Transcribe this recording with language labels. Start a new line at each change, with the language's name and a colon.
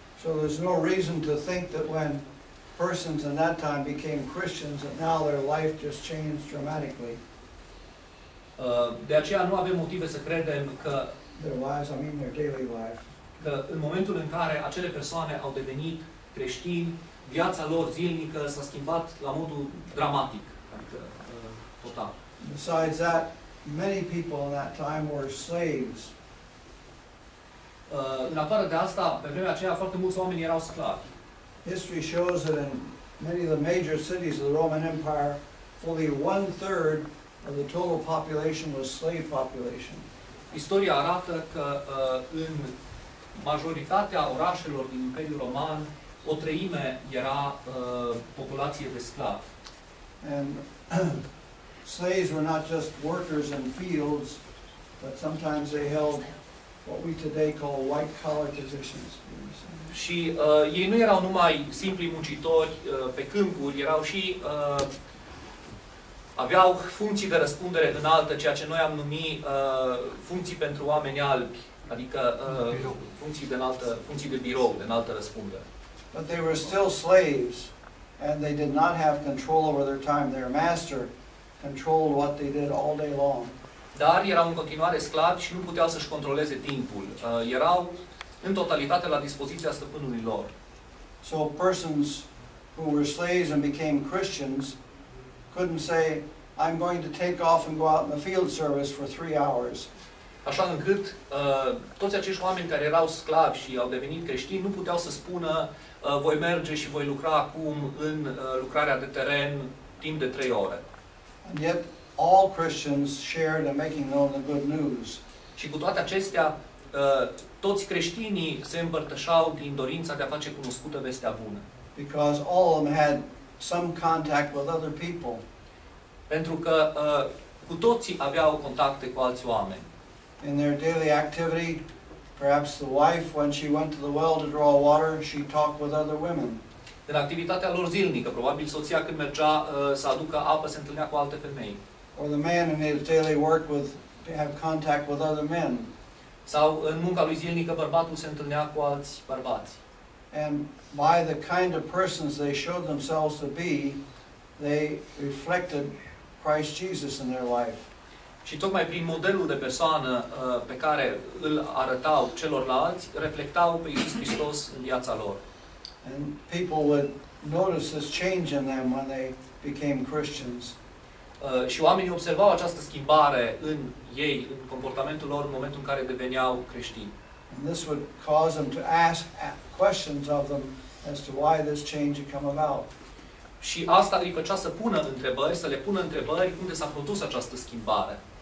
English: So there's no reason to think that when persons in that time became Christians and now their life just changed dramatically.
Romanian: De aceea nu avem motive să credem că
English: their lives, I mean their daily life.
Romanian: Că în momentul în care acele persoane au devenit creștini, viața lor zilnică s-a schimbat la modul dramatic, adică total.
English: Besides that, many people in that time were slaves.
Romanian: În afară de asta, pe vremea aceea foarte mulți oameni erau sclavi.
English: History shows that in many of the major cities of the Roman Empire, fully one third of the total population was slave population.
Romanian: Istoria arată că în majoritatea orașelor din Imperiul Roman, o treime era populație de sclavi.
English: And slaves were not just workers in fields, but sometimes they held what we today call white collar positions.
Romanian: Și ei nu erau numai simpli muncitori pe câmpuri, erau și aveau funcții de răspundere înaltă, ceea ce noi am numit funcții pentru oameni albi, adică funcții de înaltă, funcții de birou, de înaltă răspundere.
English: But they were still slaves and they did not have control over their time. Their master controlled what they did all day long.
Romanian: Dar erau în continuare sclavi și nu puteau să-și controleze timpul. Erau în totalitate la dispoziția stăpânului lor.
English: So persons who were slaves and became Christians couldn't say, I'm going to take off and go out in the field service for 3 hours.
Romanian: Așa încât toți acești oameni care erau sclavi și au devenit creștini nu puteau să spună, voi merge și voi lucra acum în lucrarea de teren timp de 3 ore.
English: And yet, all Christians shared in making known the good news.
Romanian: Și cu toate acestea, toți creștinii se împărtășau din dorința de a face cunoscută vestea bună.
English: Because all of them had some contact with other people.
Romanian: Pentru că cu toții aveau contacte cu alți oameni.
English: In their daily activity, perhaps the wife, when she went to the well to draw water, she talked with other women.
Romanian: În activitatea lor zilnică, probabil soția când mergea să aducă apă, se întâlnea cu alte femei.
English: Or the man in his daily work with to have contact with other men.
Romanian: Sau în munca lui zilnică bărbatul se întâlnea cu alți bărbați.
English: And by the kind of persons they showed themselves to be, they reflected Christ Jesus in their life.
Romanian: Și tocmai prin modelul de persoană pe care îl arătau celorlalți, reflectau pe Iisus Hristos în viața lor.
English: And people would notice this change in them when they became Christians.
Romanian: Și oamenii observau această schimbare în ei, în comportamentul lor, în momentul în care deveneau creștini.
English: And this would cause them to ask questions of them as to why this change had come about.
Romanian: Și asta îi făcea să pună întrebări, să le pună întrebări unde s-a produs această schimbare.